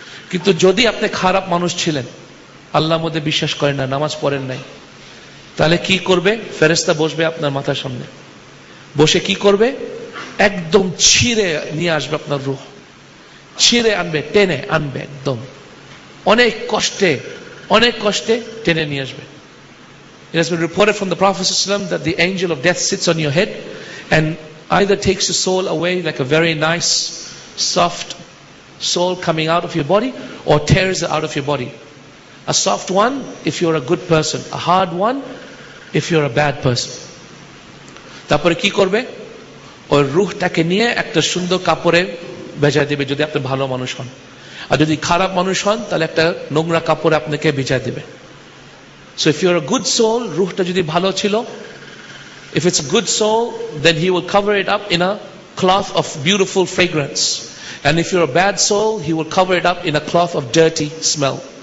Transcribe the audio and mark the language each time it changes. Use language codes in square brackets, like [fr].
[bn] কিন্তু যদি আপনি খারাপ মানুষ ছিলেন, আল্লাহর মধ্যে বিশ্বাস করেন না, নামাজ পড়েন নাই, তাহলে কি করবে? ফেরেশতা বসবে আপনার মাথার সামনে, বসে কি করবে? একদম ছিঁড়ে নিয়ে আসবে আপনার রুহ, ছিঁড়ে আনবে, টেনে আনবে, একদম অনেক কষ্টে, অনেক কষ্টে টেনে নিয়ে আসবে। [en] It has been reported from the Prophet ﷺ that the angel of death sits on your head and either takes your soul away like a very nice, soft soul coming out of your body or tears it out of your body. A soft one if you're a good person, a hard one if you're a bad person. [bn] তারপরে কি করবে? ওই রুহটাকে নিয়ে একটা সুন্দর কাপড়ে ভেজা দিবে যদি আপনি ভালো মানুষ হন, আর যদি খারাপ মানুষ হন তাহলে একটা নোংরা কাপড়ে আপনাকে ভিজা দিবে। [en] so if you are good soul, [bn] রুহটা যদি ভালো ছিল, [en] If it's good soul then he will cover it up in a cloth of beautiful fragrance, and if you are bad soul he will cover it up in a cloth of dirty smell.